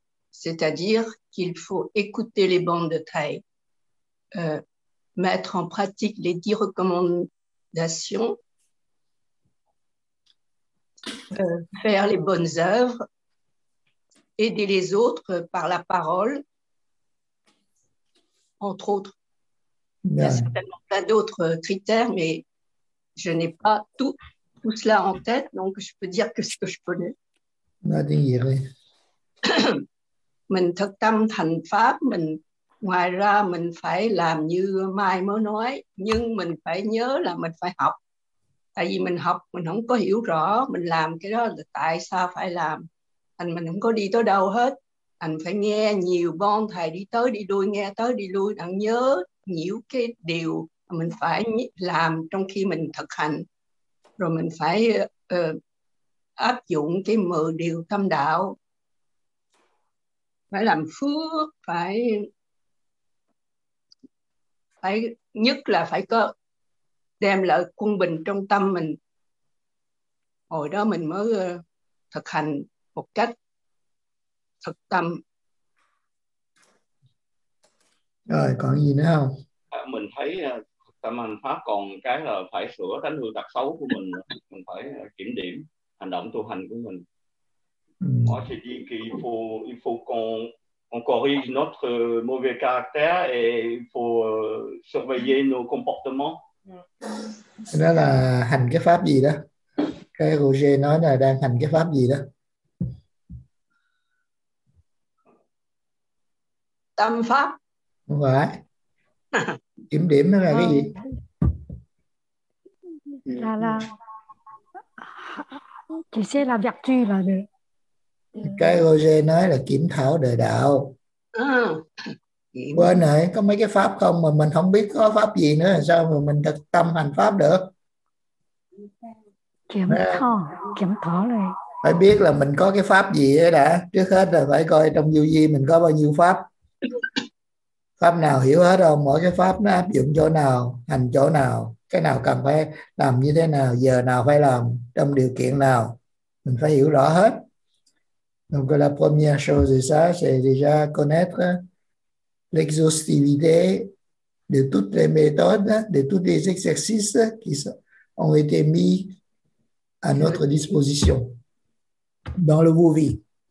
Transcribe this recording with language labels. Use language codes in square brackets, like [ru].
[fr] C'est-à-dire qu'il faut écouter les bandes de taille, mettre en pratique les 10 recommandations, faire les bonnes œuvres, aider les autres par la parole, entre autres. Bien. Il y a certainement plein d'autres critères, mais je n'ai pas tout cela en tête, donc je peux dire que ce que je connais. [vi] Mình thực tâm thành pháp, mình ngoài ra mình phải làm như Mai mới nói, nhưng mình phải nhớ là mình phải học. Tại vì mình học, mình không có hiểu rõ mình làm cái đó là tại sao phải làm. Anh mình không có đi tới đâu hết. Anh phải nghe nhiều bon thầy đi tới đi lui, nghe tới đi lui, anh nhớ nhiều cái điều mình phải làm trong khi mình thực hành. Rồi mình phải áp dụng cái 10 điều tâm đạo. Phải làm phước, phải nhất là phải có đem lại quân bình trong tâm mình. Hồi đó mình mới thực hành một cách thực tâm. Rồi, còn gì nữa không? Mình thấy tâm hành pháp còn cái là phải sửa tánh hư tật xấu của mình. Mình phải kiểm điểm hành động tu hành của mình. [fr] Moi, j'ai dit qu'il faut qu'on corrige notre mauvais caractère et il faut surveiller nos comportements. [vi] Đó là hành cái pháp gì đó? Cái Roger nói là đang hành cái pháp gì đó? Tâm pháp. Đúng rồi. Kiểm điểm nó là cái gì? Là chỉ sẽ là việc tu là được. Cái Roger nói là kiểm thảo đời đạo. Quên rồi, có mấy cái pháp không mà mình không biết có pháp gì nữa, sao mà mình thực tâm hành pháp được? Kiểm thảo rồi. Phải biết là mình có cái pháp gì ấy đã. Trước hết là phải coi trong vô vi mình có bao nhiêu pháp. Pháp nào hiểu hết không? Mỗi cái pháp nó áp dụng chỗ nào, hành chỗ nào, cái nào cần phải làm như thế nào, giờ nào phải làm, trong điều kiện nào, mình phải hiểu rõ hết. [fr] Donc la première chose c'est ça, c'est déjà connaître l'exhaustivité de toutes les méthodes, de tous les exercices qui ont été mis à notre disposition dans le Wuvi.